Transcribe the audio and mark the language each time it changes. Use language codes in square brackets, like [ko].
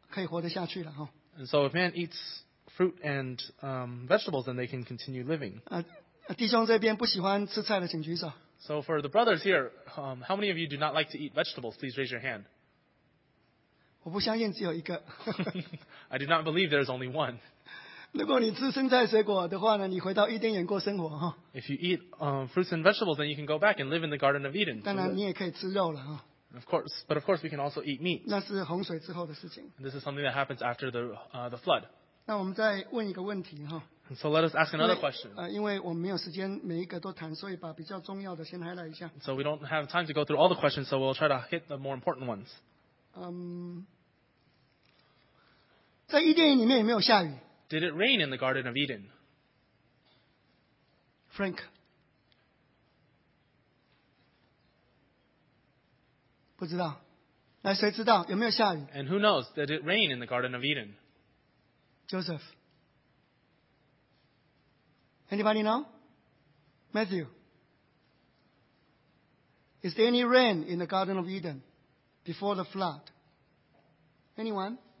[en] if man eats fruit and vegetables, then they can continue living. [zh] 弟兄这边不喜欢吃菜的, [en] so for the brothers here, how many of you do not like to eat vegetables? Please raise your hand. [zh] 我不相信只有一个, [en] I do not believe there is only one. [zh] 如果你吃生菜水果的话呢, 你回到伊甸园过生活, [en] if you eat fruits and vegetables, then you can go back and live in the Garden of Eden. [zh] 当然你也可以吃肉了, [en] of course, we can also eat meat. [zh] 那是洪水之后的事情。 [en] This is something that happens after the flood. [zh] 那我们再问一个问题, [en] so let us ask another question. [zh] 因为我们没有时间每一个都谈, [en] so we don't have time to go through all the questions, so we'll try to hit the more important ones. [zh] 在伊甸园里面有没有下雨? [en] Did it rain in the Garden of Eden? Frank. [zh] 不知道, 来谁知道, 有没有下雨? [en] And who knows? Did it rain in the Garden of Eden? Joseph. Anybody know? Matthew. Is there any rain in the Garden of Eden before the flood? Anyone?